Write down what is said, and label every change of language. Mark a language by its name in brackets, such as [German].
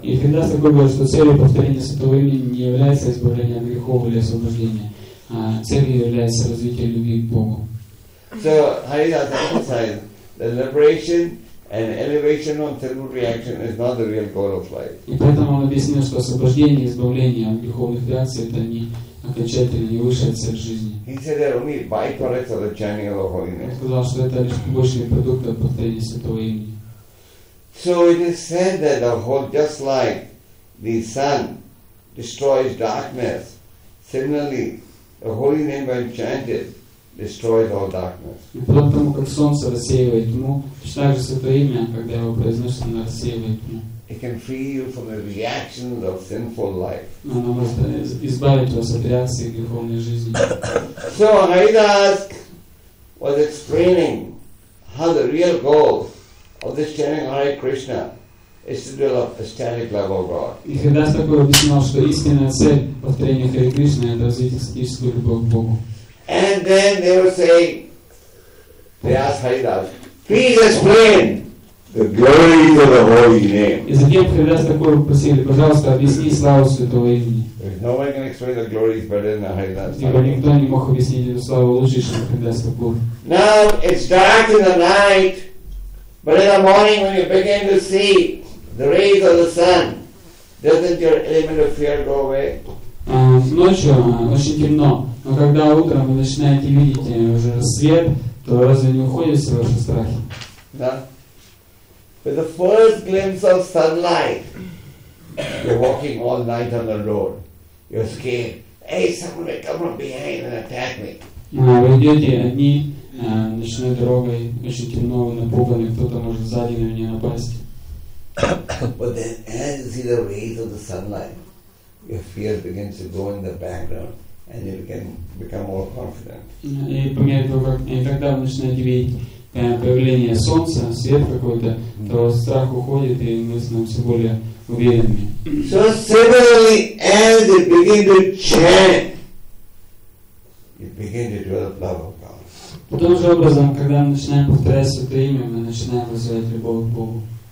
[Russian] И всегда говорит, что целью повторения святого имени не является избавление от грехов или освобождение, а целью является развитие любви к Богу. [English] So Haridas emphasized that liberation and elevation of thermal reaction is not the real goal of life. [Russian] И поэтому он объяснил, что освобождение и избавление от греховных реакций — это не окончательная и высшая цель жизни. [English] He said that only byproducts of the chanting of holiness. [Russian] Он сказал, что это лишь побочные продукты повторения святого имени. [English] So it is said that the whole, just like the sun destroys darkness, similarly, the holy name when chanted destroys all darkness. [Russian] Потому как солнце рассеивает тьму, точно так же святое имя, когда его произносит, оно рассеивает тьму. [English] It can free you from the reactions of sinful life. [Russian] Оно может избавить вас от реакции греховной жизни. [English] So Haridas was explaining how the real goal of this chanting Hare Krishna is to develop ecstatic love of God. [Russian] И когда такое объяснял, что истинная цель повторения Харе Кришны — это развить эстетическую любовь к Богу. [English] And then they were saying, they asked Haridas, please explain the glory of the holy name. [Russian] И затем Харидас такое попросили, пожалуйста, объясни славу святого имени. [English] No one can explain the glory better than Haridas. [Russian] Ибо никто не мог объяснить эту славу лучше, чем Харидас такое. [English] Now it's dark in the night. But in the morning when you begin to see the rays of the sun, doesn't your element of fear go away? [Russian] Ночью очень темно, но когда утром вы начинаете видеть уже рассвет, то разве не уходит все ваши страхи? Да. [English] With the first glimpse of sunlight, you're walking all night on the road. You're scared. Hey, someone may come from behind and attack me. [Russian] Вы идете одни ночной дорогой, очень темно, вы напуганы, кто-то может сзади на меня напасть. [English] But then, as you see the rays of the sunlight, your fear begins to go in the background, and you can become more confident. [Russian] И по мере того, как и когда вы начинаете видеть появление солнца, свет какой-то, то страх уходит, и мы становимся более уверенными. [English] So similarly, as you begin to chant, you begin to develop love of God. [Russian] По тому же образом, когда мы начинаем повторять святое имя, мы начинаем вызывать любовь к Богу.